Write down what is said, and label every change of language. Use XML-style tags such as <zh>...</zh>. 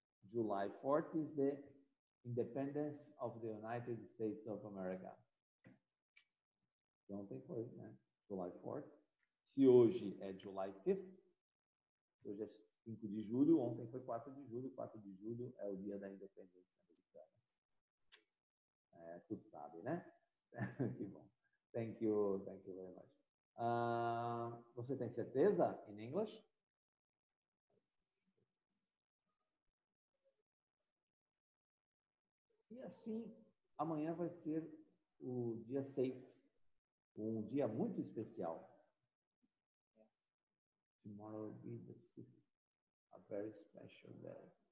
<en>July 4th is the Independence of the United States of America.</en> <pt>Ontem foi, né? July 4th. Se hoje é July 5th, hoje é 5 de julho, ontem foi 4 de julho. 4 de julho é o dia da independência americana. É, tu sabe, né? Que bom.</pt> <en>Thank you very much.</en> <pt>Você tem certeza</pt> <en>in English?</en> <pt>E assim, amanhã vai ser o dia 6, um dia muito especial.</pt> <en>Tomorrow will be the 6th, a very special day.</en>